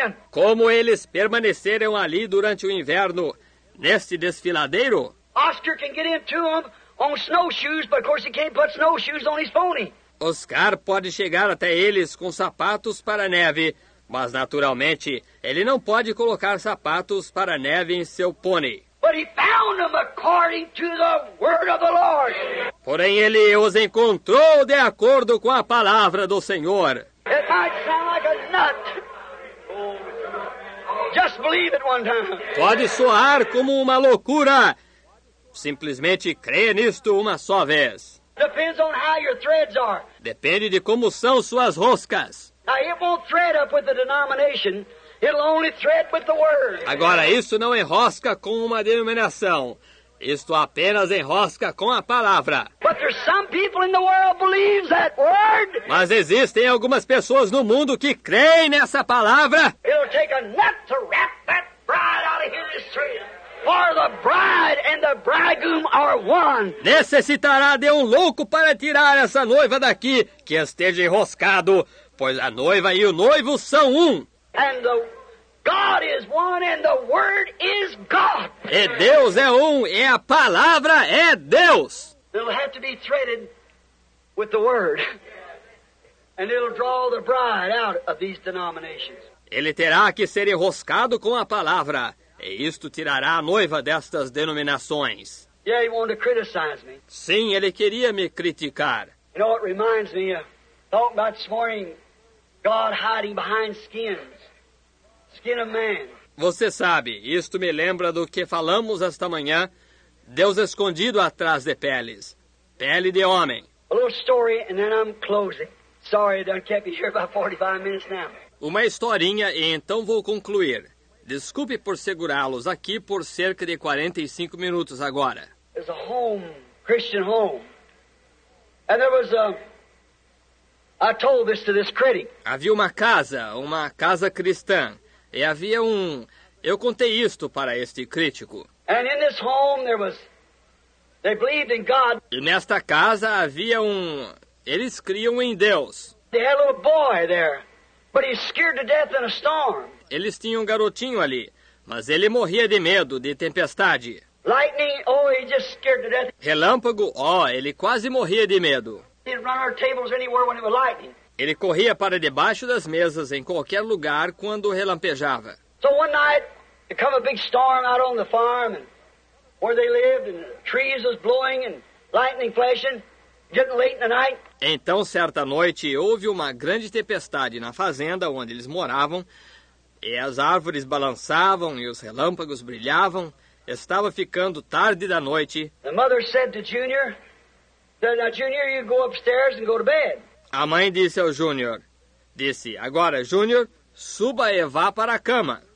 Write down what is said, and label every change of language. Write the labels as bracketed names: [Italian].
[Portuguese] Como eles permaneceram ali durante o inverno, neste desfiladeiro? [English] Oscar can get into them on snowshoes, but of course he can't put snowshoes on his pony. [Portuguese] Oscar pode chegar até eles com sapatos para neve, mas naturalmente ele não pode colocar sapatos para neve em seu pony. [English] But he found them according to the word of the Lord. [Portuguese] Porém ele os encontrou de acordo com a palavra do Senhor. [English] It might sound like a nut. Just believe it one time. [Portuguese] Pode soar como uma loucura. Simplesmente crê nisto uma só vez. [English] Depends on how your threads are. [Portuguese] Depende de como são suas roscas. [English] Now, it won't thread up with the denomination. It'll only thread with the word. [Portuguese] Agora, isso não enrosca com uma denominação. Isto apenas enrosca com a palavra. [English] But there's some people in the world believes that word. [Portuguese] Mas existem algumas pessoas no mundo que creem nessa palavra. [English] It'll take a nut to wrap that bride out of here this tree. For the bride and the bridegroom are one. [Portuguese] Necessitará de um louco para tirar essa noiva daqui, que esteja enroscado, pois a noiva e o noivo são um. [English] And the God is one and the word is God. [Portuguese] E Deus é um e a palavra é Deus. [English] It'll have to be threaded with the word. And it'll draw the bride out of these denominations. [Portuguese] Ele terá que ser enroscado com a palavra. E isto tirará a noiva destas denominações. [English] Yeah, he wanted to criticize me. [Portuguese] Sim, ele queria me criticar. [English] You know, it reminds me of talking about this morning, God hiding behind skins, skin of man. [Portuguese] Você sabe, isto me lembra do que falamos esta manhã, Deus escondido atrás de peles, pele de homem. [English] A little story and then I'm closing. Sorry, I don't keep you here about 45 minutes now. [Portuguese] Uma historinha e então vou concluir. Desculpe por segurá-los aqui por cerca de 45 minutos agora. [English] There's a home, Christian home. And there was a... I told this to this critic. [Portuguese] Havia uma casa cristã. E havia um... Eu contei isto para este crítico. [English] And in this home there was... They believed in God. [Portuguese] E nesta casa havia um... Eles criam em Deus. [English] They had a little boy there. But he's scared to death in a storm. [Portuguese] Eles tinham um garotinho ali, mas ele morria de medo de tempestade. [English] Lightning, oh, he just scared to death. [Portuguese] Relâmpago, oh, ele quase morria de medo. [English] He'd run our tables anywhere when it was lightning. [Portuguese] Ele corria para debaixo das mesas em qualquer lugar quando relampejava. [English] So one night, there came a big storm out on the farm and where they lived, and the trees was blowing and lightning flashing, getting late in the night. [Portuguese] Então, certa noite, houve uma grande tempestade na fazenda onde eles moravam. E as árvores balançavam e os relâmpagos brilhavam. Estava ficando tarde da noite. [English] The mother said to Junior, "Now, Junior, you go upstairs and go to bed." [Portuguese] A mãe disse ao Junior, disse, agora, Junior, suba e vá para a cama.